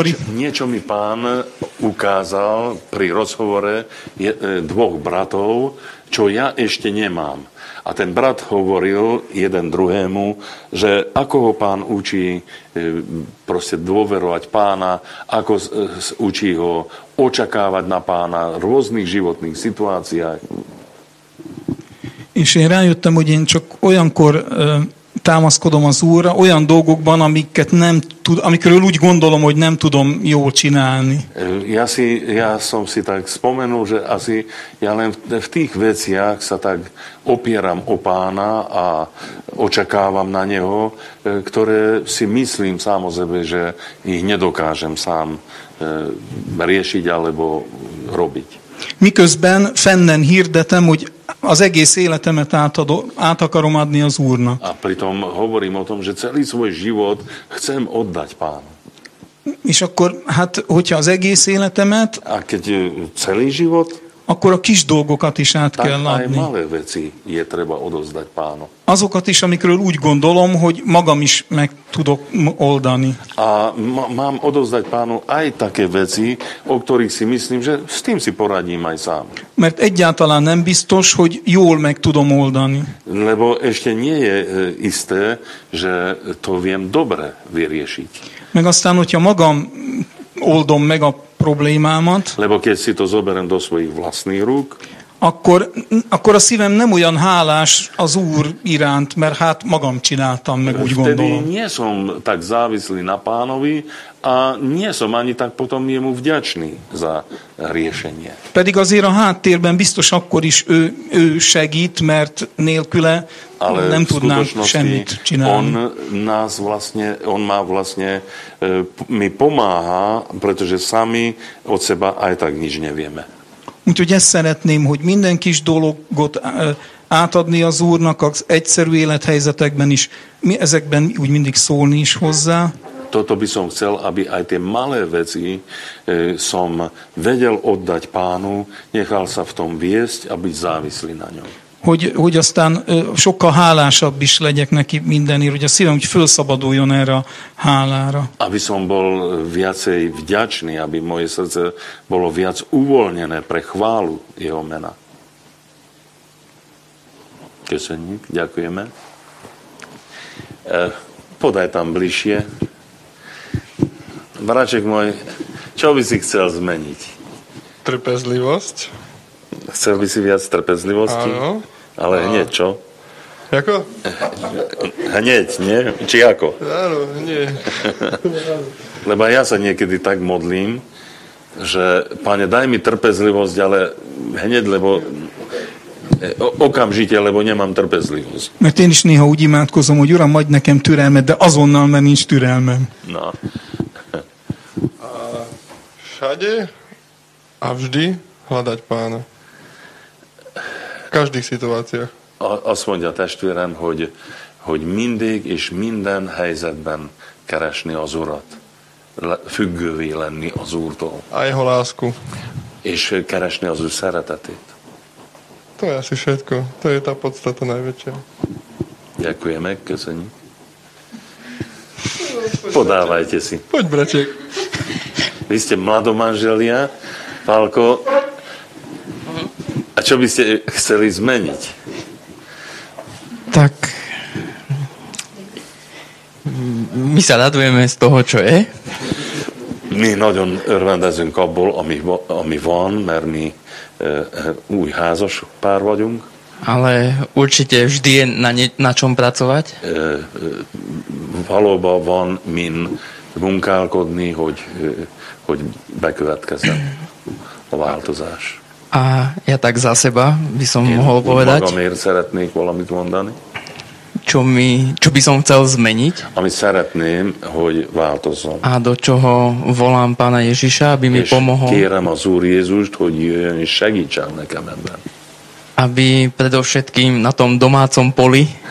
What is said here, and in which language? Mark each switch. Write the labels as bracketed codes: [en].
[sk] Niečo mi Pán ukázal pri rozhovore dvoch bratov, čo ja ešte nemám. A ten brat hovoril jeden druhému, že ako ho Pán učí proste dôverovať Pána, ako učí ho očakávať na Pána v rôznych životných situáciách. [hu] És én rájöttem, hogy én csak olyankor támaszkodom az Úrra olyan dolgokban, amiket nem tud, amikről úgy gondolom, hogy nem tudom jól csinálni. [sk] Ja som si tak spomenul, že asi ja len v tých veciach sa tak opieram o Pána a očakávam na Neho, ktoré si myslím sám o sebe, že ich nedokážem sám riešiť alebo robiť. [hu] Miközben fennen hirdetem, hogy az egész életemet át akarom adni az Úrnak. [sk] A pritom hovorím o tom, že celý svoj život chcem oddať Pánu. [hu] És akkor, hát, hogyha az egész életemet... [sk] A keď celý život... [hu] Akkor a kis dolgokat is át kell adni. [sk] Tak aj malé veci je treba odozdať Pánu. [hu] Azokat is, amikről úgy gondolom, hogy magam is meg tudok oldani. [sk] A mám odozdať Pánu aj také veci, o ktorých si myslím, že s tým si poradím aj sám. [hu] Mert egyáltalán nem biztos, hogy jól meg tudom oldani. [sk] Lebo ešte nie je isté, že to viem dobre vyriešiť. [hu] Meg aztán, hogyha magam oldom meg a problémámat. [sk] Lebo keď si to zoberem do svojich vlastných rúk. [hu] akkor a szívem nem olyan hálás az Úr iránt, mert hát magam csináltam, meg úgy gondolom. [sk] Vtedy nie som tak závislý na pánovi a nie som ani tak potom jemu vďačný za riešenie. [hu] Pedig azért a háttérben biztos akkor is ő segít, mert nélküle [sk] ale [hu] nem tudnám semmit csinálni. [sk] On nás vlastne, on má vlastne, mi pomáha, pretože sami od seba aj tak nič nevieme. [hu] Úgyhogy ezt szeretném, hogy minden kis dologot átadni az Úrnak az egyszerű élethelyzetekben is, ezekben úgy mindig szólni is hozzá. [sk] Toto by som chcel, aby aj tie malé veci som vedel oddať pánu, nechal sa v tom viesť a byť závislý na ňom. [hu] Hogy aztán sokkal hálásabb is legyek neki mindenért, hogy a szívem úgy felszabaduljon erre a hálára. [sk] Aby som bol viacej vďačný, aby moje srdce bolo viac uvoľnené pre chválu jeho mena. [hu] Köszönjük, [sk] ďakujeme. Podaj tam bližšie. Braček môj, čo by si chcel zmeniť? Trpezlivosť. Chcel by si viac trpezlivosti? Áno. Ale hneď, čo? Jako? Hneď, nie? Či ako? Áno, nie. Lebo ja sa niekedy tak modlím, že, pane, daj mi trpezlivosť, ale hneď, lebo okamžite, lebo nemám trpezlivosť. [hu] Mert én is néha úgy imádkozom, hogy Uram, adj nekem türelmet, de azonnal, mert nincs türelmem. [sk] Na. A všade a vždy hľadať pána. Každých situáciách. [hu] Azt mondja testvérem, hogy mindig és minden helyzetben keresni az Urat. Függővé lenni az Úrtól. [sk] A jeho lásku. [hu] És keresni az ő szeretetét. [sk] To je asi všetko. To je tá podstata najväčšia. Ďakujeme, [hu] köszönjük. [sk] Podávajte si. Poď, braček. Vy ste mladomanželia, Pálko. A čo by ste chceli zmeniť? Tak my sa radujeme z toho, čo je. [hu] My nagyon örvendezünk abból, ami van, mert mi új házas pár vagyunk. [sk] Ale určite vždy je na čom pracovať. [hu] Valóba van min munkálkodni, hogy bekövetkezzen a változás. [sk] A ja tak za seba by som mohol povedať. [hu] Ja magamért szeretnék valamit mondani. [sk] Čo by som chcel zmeniť. [hu] Ami szeretném, hogy változzon. [sk] A do čoho volám Pána Ježiša, aby mi pomohol. [hu] Kérem az Úr Jézust, hogy jöjjön és segítsen nekem ebben. [sk] Aby predovšetkým na tom domácom poli.